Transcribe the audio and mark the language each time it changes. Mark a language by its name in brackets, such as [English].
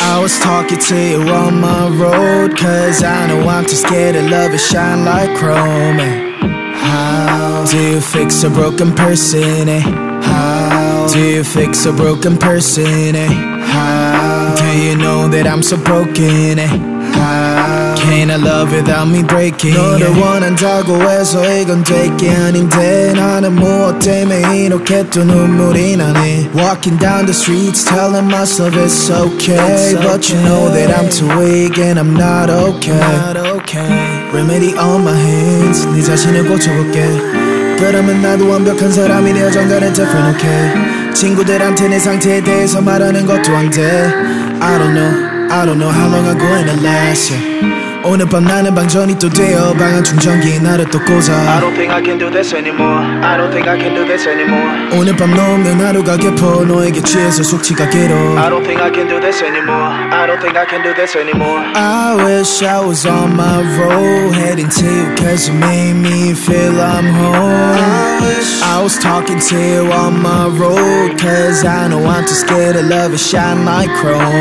[English] I was talking to you on my road, cause I know I'm too scared of love, it shine like chrome. How do you fix a broken person, eh? Do you fix a broken person, eh? How? Do you know that I'm so broken, eh? How? Can't I love without me breaking? [Korean] 너를 원한다고 해서 이건 될 게 아닌데 나는 무엇 때문에 이렇게 또 눈물이 나네. [English] Walking down the streets telling myself it's okay, it's okay. But you know that I'm too weak and I'm not okay, not okay. Remedy on my hands, [Korean] 네 자신을 고쳐볼게. 그러면 나도 완벽한 사람이 되어 전간에 덮어놓게. 친구들한테 내 상태에 대해서 말하는 것도 안 돼. [English] I don't know how long I'm gonna last, yeah. [Korean] 오늘 밤 나는 방전이 또 되어 방안 충전기 나를 또 꽂아. [English] I don't think I can do this anymore, I don't think I can do this anymore. [Korean] 오늘 밤 넘는 하루가 깊어 너에게 취해서 숙취가 길어. [English] I don't think I can do this anymore, I don't think I can do this anymore. I wish I was on my road, heading to you, cause you made me feel I'm home. I wish I was talking to you on my road, cause I know I'm too scared of love, it shine like chrome.